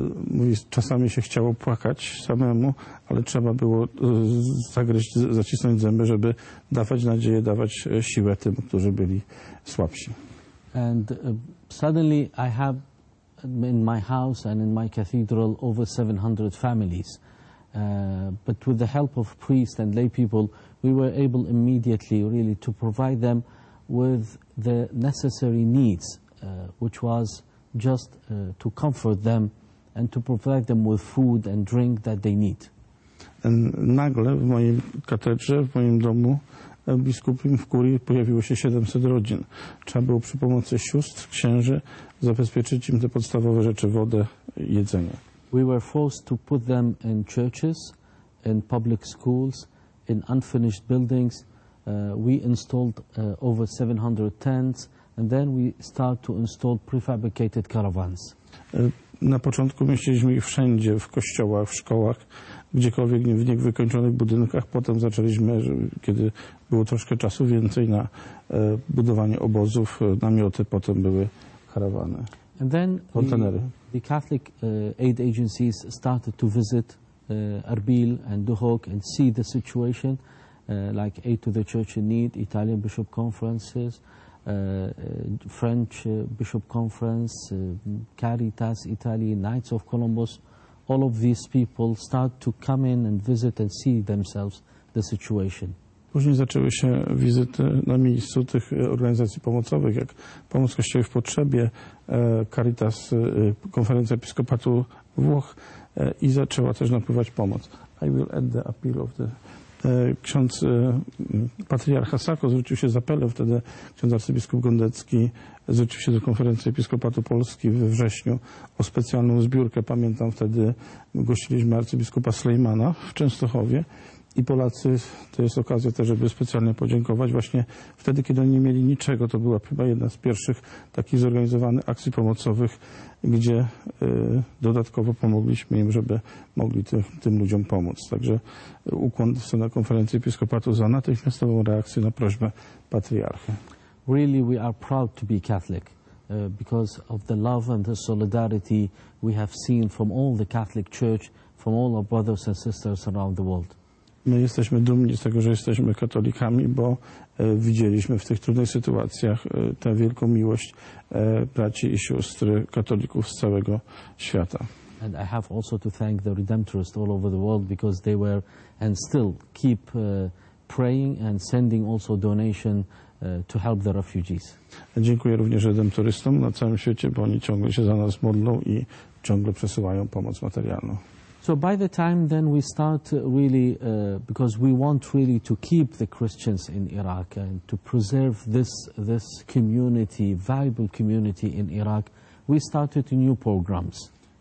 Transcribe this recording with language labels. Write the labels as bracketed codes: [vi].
[pl] Mówi, czasami się chciało płakać samemu, ale trzeba było zagryźć, zacisnąć zęby, żeby dawać nadzieję, dawać siłę tym, którzy byli słabsi. [en] And suddenly I have in my house and in my cathedral over 700 families. But with the help of priests and lay people, we were able immediately really to provide them with the necessary needs, which was just to comfort them and to provide them with food and drink that they need. [pl] And nagle w mojej katedrze, w moim domu biskupim w kurii pojawiło się 700 rodzin. Trzeba było przy pomocy sióstr, księży zabezpieczyć im te podstawowe rzeczy, wodę, jedzenie. [en] We were forced to put them in churches, in public schools, in unfinished buildings. We installed over 700 tents, and then we start to install prefabricated caravans. [pl] Na początku mieściliśmy ich wszędzie, w kościołach, w szkołach, gdziekolwiek, w niewykończonych budynkach. Potem zaczęliśmy, kiedy było troszkę czasu więcej, na budowanie obozów, namioty, potem były karawany. [en] And then the Catholic aid agencies started to visit Erbil and Duhok and see the situation, like aid to the church in need, Italian bishop conferences, French bishop conference, Caritas, Italy, Knights of Columbus. All of these people start to come in and visit and see themselves the situation. [pl] Później zaczęły się wizyty na miejscu tych organizacji pomocowych, jak Pomoc Kościoła w Potrzebie, Caritas, Konferencja Episkopatu Włoch, i zaczęła też napływać pomoc. [en] I will add the appeal of the... [pl] Ksiądz Patriarcha Sako zwrócił się z apelem, wtedy ksiądz arcybiskup Gondecki zwrócił się do Konferencji Episkopatu Polski we wrześniu o specjalną zbiórkę. Pamiętam, wtedy gościliśmy arcybiskupa Slejmana w Częstochowie. I Polacy, to jest okazja też, żeby specjalnie podziękować. Właśnie wtedy, kiedy oni nie mieli niczego, to była chyba jedna z pierwszych takich zorganizowanych akcji pomocowych, gdzie dodatkowo pomogliśmy im, żeby mogli tym ludziom pomóc. Także ukłon w stronę Konferencji Episkopatu za natychmiastową reakcję na prośbę patriarchy. [en] Really we are proud to be Catholic because of the love and the solidarity we have seen from all the Catholic Church, from all our brothers and sisters around the world. [pl] My jesteśmy dumni z tego, że jesteśmy katolikami, bo widzieliśmy w tych trudnych sytuacjach tę wielką miłość braci i sióstr katolików z całego świata. [en] And I have also to thank the Redemptorists all over the world because they were and still keep praying and sending also donation to help the refugees. [pl] Dziękuję również Redemptorystom na całym świecie, bo oni ciągle się za nas modlą i ciągle przesyłają pomoc materialną. [en] So by the time then we start really, because we want really to keep the Christians in Iraq and to preserve this community, viable community in Iraq, we started new programs.